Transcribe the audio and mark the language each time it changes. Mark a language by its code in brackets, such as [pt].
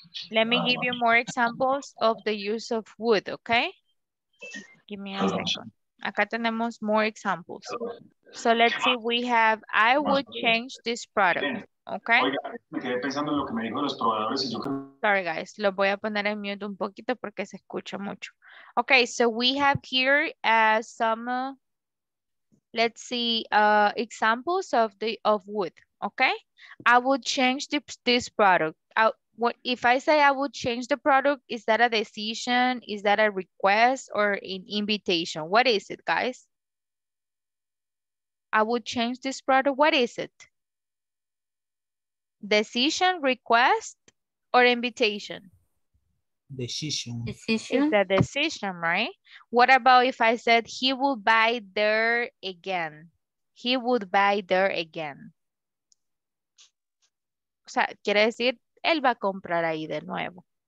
[en] Let me give you more examples of the use of would, okay? Give me a second. [es] Acá tenemos [en] more examples. So let's see, we have, I would change this product, okay? Sorry guys, [es] lo voy a poner en mute un poquito porque se escucha mucho. [en] Okay, so we have here examples of the would, okay? I would change this product. If I say I would change the product, is that a decision? Is that a request or an invitation? What is it, guys? I would change this product. What is it? Decision, request, or invitation? Decision. Decision. It's a decision, right? What about if I said he will buy there again? He would buy there again. [es] O sea, quiere decir, él va a comprar ahí de nuevo.